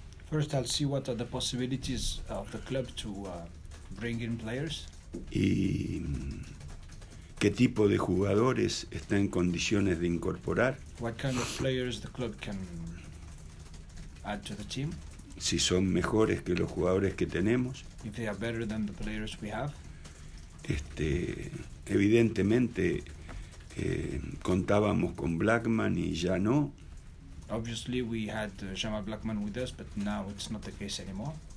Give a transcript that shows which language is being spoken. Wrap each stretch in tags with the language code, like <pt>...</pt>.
<en>First I'll see what are the possibilities of the club to bring in players.</en> <es>Y qué tipo de jugadores está en condiciones de incorporar.</es> <en>What kind of players the club can add to the team.</en> <es>Si son mejores que los jugadores que tenemos.</es> <en>If they are better than the players we have.</en> <es>Evidentemente contábamos con Blackman y ya no.</es> <en>Obviously we had Jean-Marc Blackman with us, but now it's not the case anymore.</en>